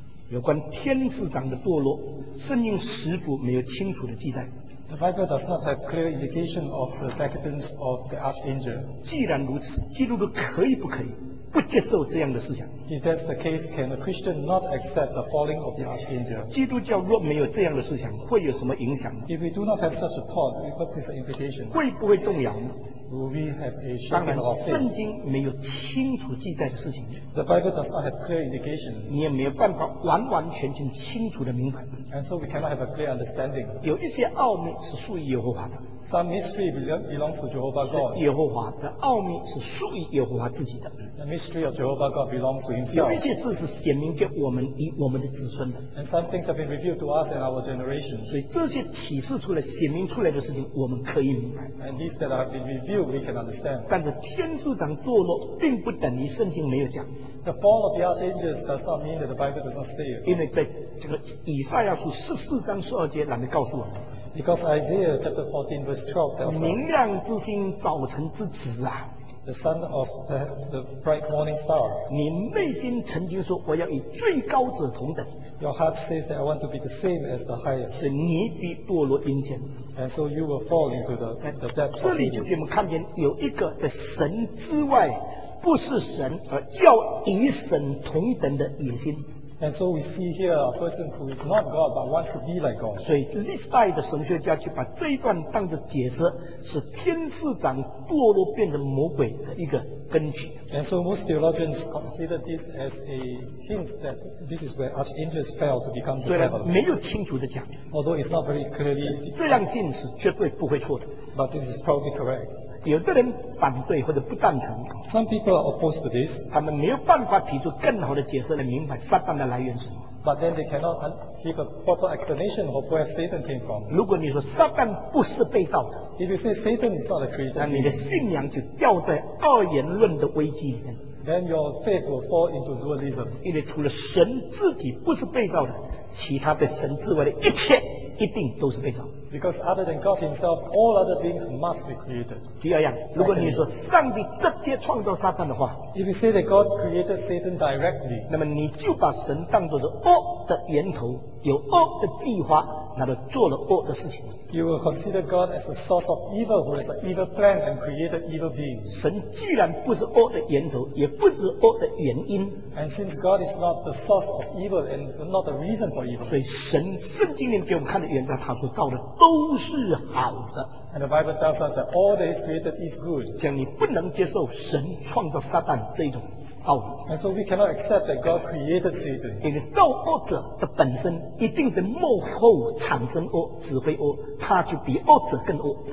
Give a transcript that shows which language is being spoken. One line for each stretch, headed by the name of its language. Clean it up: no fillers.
Chinese: 有关天使长的堕落，圣经十部没有清楚的记载。
English: The Bible does not have clear indication of the decadence of the archangel.
Chinese: 既然如此，基督徒可以不可以不接受这样的思想？
English: If that's the case, can a Christian not accept the falling of the archangel?
Chinese: 基督教若没有这样的思想，会有什么影响？
English: If we do not have such a thought, what is the implication?
Chinese: 会不会动摇？
English: Will we have a shaking of faith?
Chinese: 圣经没有清楚记载的事情。
English: The Bible does not have clear indication.
Chinese: 你也没有办法完完全全清楚的明白。
English: And so we cannot have a clear understanding.
Chinese: 有一些奥秘是属于耶和华的。
English: Some mystery belongs to Jehovah God.
Chinese: 耶和华的奥秘是属于耶和华自己的。
English: The mystery of Jehovah God belongs to himself.
Chinese: 有一些事是显明给我们以我们的子孙的。
English: And some things have been revealed to us and our generations.
Chinese: 所以这些启示出来、显明出来的事情，我们可以明白。
English: And these that have been revealed, we can understand.
Chinese: 但是天使长堕落，并不等于圣经没有讲。
English: The fall of the archangels does not mean that the Bible does not say it.
Chinese: 因为在这个以赛亚书十四章十二节，哪里告诉我们？
English: Because Isaiah chapter 14 verse 12 tells us,
Chinese: 明亮之星，早晨之子啊。
English: the son of the bright morning star.
Chinese: 你内心曾经说我要与最高者同等。
English: Your heart says that I want to be the same as the highest.
Chinese: 你必堕落阴间。
English: And so you will fall into the depths.
Chinese: 这里就给我们看见有一个在神之外，不是神而要与神同等的野心。
English: And so we see here a person who is not God but wants to be like God.
Chinese: 所以历代的神学家就把这一段当作解释，是天使长堕落变成魔鬼的一个根据。
English: And so most theologians consider this as a hint that this is where archangels fell to become the devil.
Chinese: 虽然没有清楚的讲，
English: although it's not very clearly,
Chinese: 这样信是绝对不会错的。
English: But this is probably correct.
Chinese: 有的人反对或者不赞成，
English: Some people are opposed to this.
Chinese: 他们没有办法提出更好的解释来明白撒旦的来源是什么。
English: But then they cannot give a proper explanation of where Satan came from.
Chinese: 如果你说撒旦不是被造的，
English: If you say Satan is not a creator,
Chinese: 那你的信仰就掉在二元论的危机里面。
English: Then your faith will fall into dualism.
Chinese: 因为除了神自己不是被造的，其他的神之外的一切一定都是被造。
English: Because other than God Himself, all other beings must be created.
Chinese: 第二样，如果你说上帝直接创造撒旦的话，
English: If you say that God created Satan directly,
Chinese: 那么你就把神当作是恶的源头，有恶的计划，那么做了恶的事情。
English: You will consider God as the source of evil, who has an evil plan and created evil beings.
Chinese: 神既然不是恶的源头，也不是恶的原因。
English: And since God is not the source of evil and not the reason for evil,
Chinese: 所以神圣经里面给我们看的原则，他所造的都是好的。
English: And the Bible tells us that all that is created is good.
Chinese: 讲你不能接受神创造撒旦这种道理。
English: And so we cannot accept that God created Satan.
Chinese: 因为造恶者的本身一定是幕后产生恶、指挥恶，他就比恶者更恶。